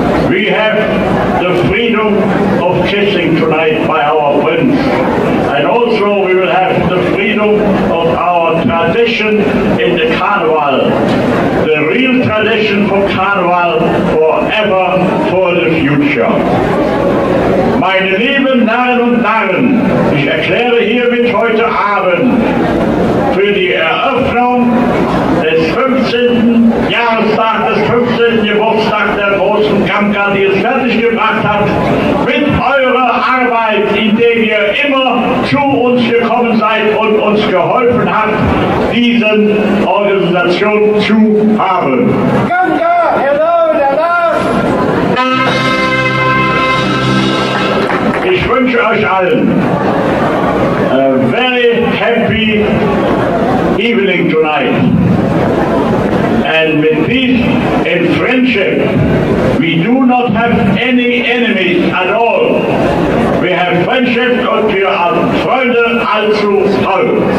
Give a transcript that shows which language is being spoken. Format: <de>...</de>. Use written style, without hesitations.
<en>We have the freedom of kissing tonight by our prince, and also we will have the freedom of our tradition in the Karneval, the real tradition for Karneval forever for the future.</en> <de>Meine lieben Narren und Narren, ich erkläre hiermit heute Abend für die Eröffnung des 15. Jahrestag, des 15. Geburtstag der großen GAMKA, die es fertiggebracht hat, mit eurer Arbeit, indem ihr immer zu uns gekommen seid und uns geholfen habt, diese Organisation zu haben. GAMKA, hello, der Lars! Ich wünsche euch allen</de> <en>a very happy evening tonight. And with peace and friendship, we do not have any enemies at all. We have friendship</en> <de>und wir haben Freunde allzu toll.</de>